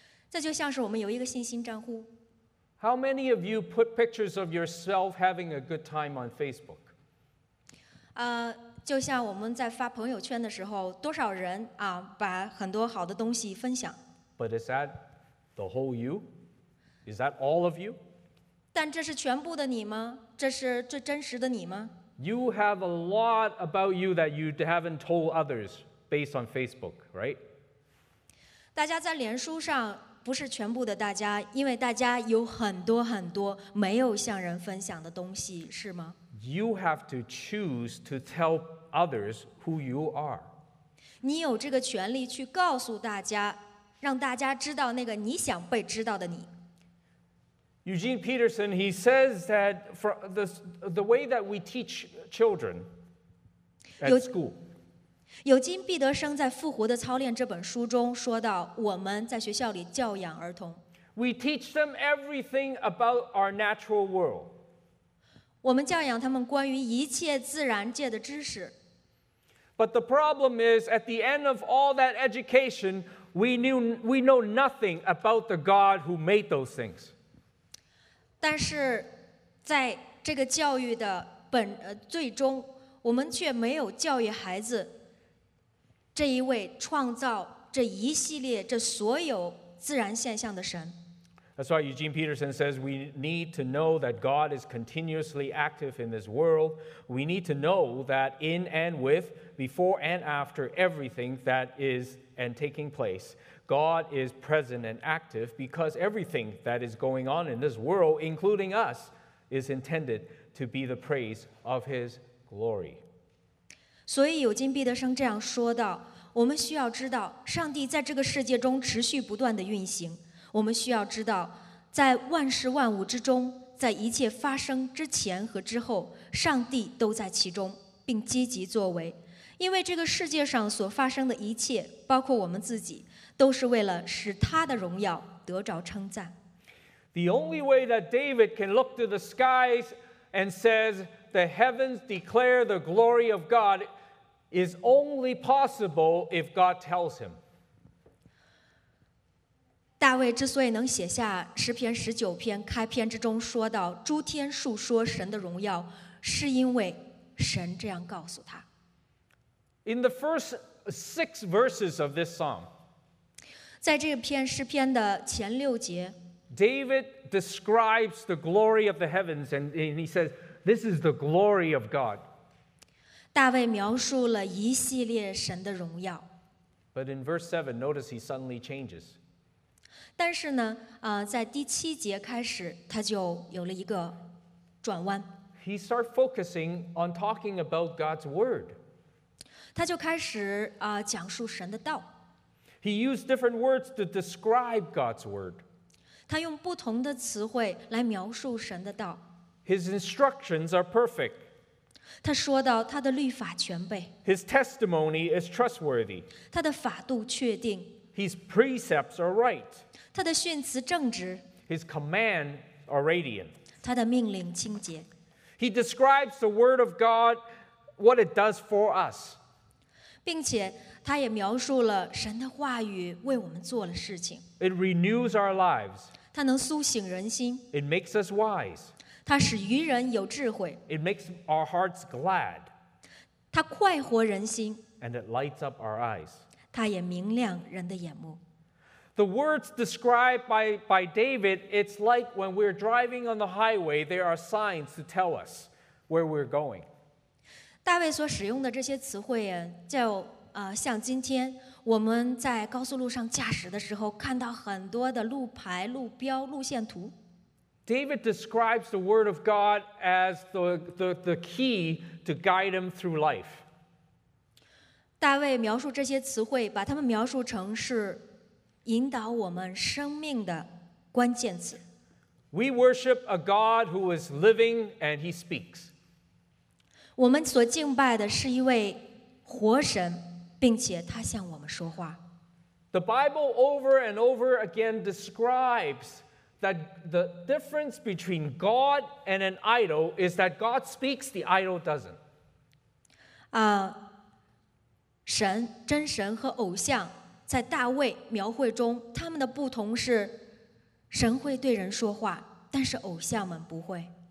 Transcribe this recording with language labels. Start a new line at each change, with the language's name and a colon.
Chinese: 这就像是我们有一个信心账户。
English: How many of you put pictures of yourself having a good time on Facebook?
Chinese: 就像我们在发朋友圈的时候，多少人啊，把很多好的东西分享。
English: But is that the whole you? Is that all of you?
Chinese: 但这是全部的你吗？这是最真实的你吗？
English: You have a lot about you that you haven't told others based on Facebook, right?
Chinese: 大家在脸书上不是全部的大家，因为大家有很多很多没有向人分享的东西，是吗？
English: You have to choose to tell others who you are.
Chinese: 你有这个权利去告诉大家，让大家知道那个你想被知道的你。
English: Eugene Peterson, he says that for the way that we teach children at school.
Chinese: 有金彼得生在《复活的操练》这本书中说到，我们在学校里教养儿童。
English: We teach them everything about our natural world.
Chinese: 我们教养他们关于一切自然界的知识。
English: But the problem is, at the end of all that education,We know nothing about the God who made those things.
Chinese: 但是在这个教育的本最终，我们却没有教育孩子这一位创造这一系列这所有自然现象的神。
English: That's why Eugene Peterson says we need to know that God is continuously active in this world. We need to know that in and with, before and after everything that is and taking place, God is present and active because everything that is going on in this world, including us, is intended to be the praise of His glory.
Chinese: 所以有金彼得生这样说道，我们需要知道上帝在这个世界中持续不断的运行。我们需要知道，在万事万物之中，在一切发生之前和之后，上帝都在其中，并积极作为。因为这个世界上所发生的一切，包括我们自己，都是为了使他的荣耀得着称赞。
English: The only way that David can look to the skies and says the heavens declare the glory of God is only possible if God tells him.
Chinese: 大卫之所以能写下诗篇十九篇开篇之中说到诸天述说神的荣耀，是因为神这样告诉他。
English: In the first six verses of this psalm,
Chinese: 在这篇诗篇的前六节，
English: David describes the glory of the heavens, and he says, "This is the glory of God."
Chinese: 大卫描述了一系列神的荣耀。
English: But in verse seven, notice he suddenly changes.
Chinese: 但是呢，在第七节开始，他就有了一个转弯。
English: He starts focusing on talking about God's word.
Chinese: 他就开始讲述神的道。
English: He used different words to describe God's word.
Chinese: 他用不同的词汇来描述神的道。
English: His instructions are perfect.
Chinese: 他说到他的律法全备。
English: His testimony is trustworthy.
Chinese: 他的法度确定。
English: His precepts are right.
Chinese: 他的训词正直。
English: His command are radiant.
Chinese: 他的命令清洁。
English: He describes the word of God, what it does for us.
Chinese: 并且他也描述了神的话语为我们做了事情。
English: It renews our lives.
Chinese: 他能苏醒人心。
English: It makes us wise.
Chinese: 他使愚人有智慧。
English: It makes our hearts glad.
Chinese: 他快活人心。
English: And it lights up our eyes.
Chinese: 他也明亮人的眼目。
English: The words described by David, it's like when we're driving on the highway, there are signs to tell us where we're going.
Chinese: 大卫所使用的这些词汇就像今天我们在高速路上驾驶的时候看到很多的路牌、路标、路线图。
English: David describes the word of God as the key to guide him through life.
Chinese: 大卫描述这些词汇，把它们描述成是引导我们生命的关键词。
English: We worship a God who is living and he speaks.
Chinese: 我们所敬拜的是一位活神，并且他向我们说话。
English: The Bible over and over again describes that the difference between God and an idol is that God speaks, the idol doesn't.
Chinese: 神，真神和偶像在大卫描绘中，他们的不同是神会对人说话，但是偶像们不会。